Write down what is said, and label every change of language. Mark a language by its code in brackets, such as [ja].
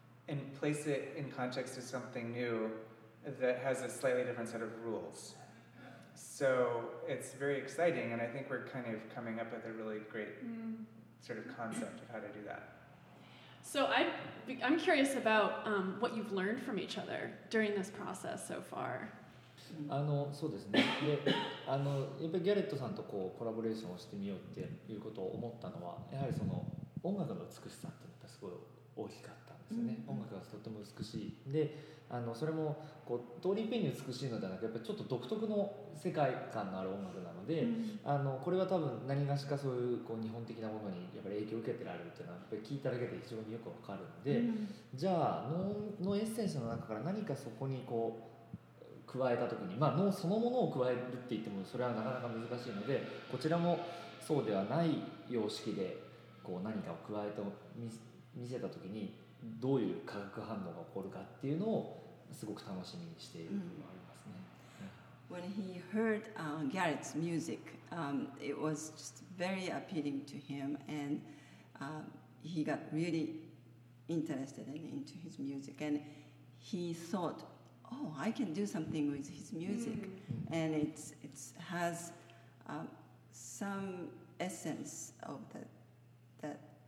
[en] and place it in context of something new that has a slightly different set of rules. So it's very exciting, and I think we're kind of coming up with a really great sort of concept of how to do that. So I'm curious about what you've learned from each other during this process so far. [ja] そうですね。で、やっぱりギャレットさんとこうコラボレーションをしてみようっていうことを思ったのは、やはりその音楽の美しさっていうのがすごい大きかったんですよね。音楽がとても美しい。で、それもこう通り一遍に美しいのではなく、やっぱりちょっと独特の世界観のある音楽なので、これは多分何がしかそういう、こう日本的なものにやっぱり影響を受けてられるっていうのは、やっぱり聞いただけで非常によくわかるんで、じゃあ能のエッセンスの中から何かそこにこう、加えたときに、まあ、脳そのものを加えるって言ってもそれはなかなか難しいので、こちらもそうではない様式でこう何かを加えて見せたときにどういう化学反応が起こるかっていうのをすごく楽しみにしているのがありますね。 [en] When he heard Garrett's music, it was just very appealing to him, and he got really interested into his music, and he thought,Oh, I can do something with his music, and it's has some essence of that